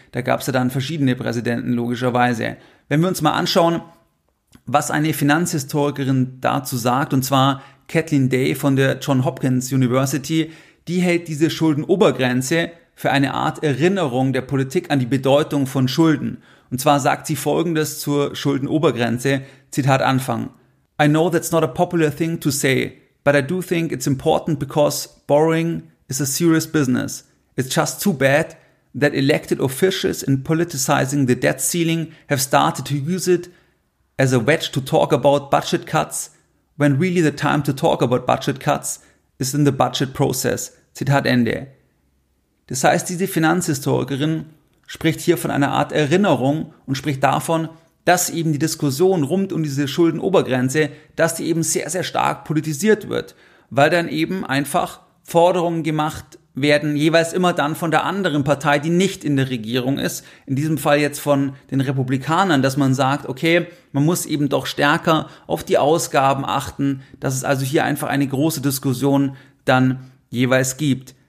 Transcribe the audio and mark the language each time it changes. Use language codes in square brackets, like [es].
[de] Da gab es ja dann verschiedene Präsidenten logischerweise. Wenn wir uns mal anschauen, was eine Finanzhistorikerin dazu sagt, und zwar Kathleen Day von der Johns Hopkins University, die hält diese Schuldenobergrenze für eine Art Erinnerung der Politik an die Bedeutung von Schulden. Und zwar sagt sie Folgendes zur Schuldenobergrenze, Zitat Anfang. [en] I know that's not a popular thing to say, but I do think it's important because borrowing is a serious business. It's just too bad that elected officials in politicizing the debt ceiling have started to use it as a wedge to talk about budget cuts, when really the time to talk about budget cuts is in the budget process. [de] Zitat Ende. Das heißt, diese Finanzhistorikerin spricht hier von einer Art Erinnerung und spricht davon, dass eben die Diskussion rund um diese Schuldenobergrenze, dass die eben sehr, sehr stark politisiert wird, weil dann eben einfach Forderungen gemacht werden, jeweils immer dann von der anderen Partei, die nicht in der Regierung ist, in diesem Fall jetzt von den Republikanern, dass man sagt, okay, man muss eben doch stärker auf die Ausgaben achten, dass es also hier einfach eine große Diskussion dann jeweils gibt.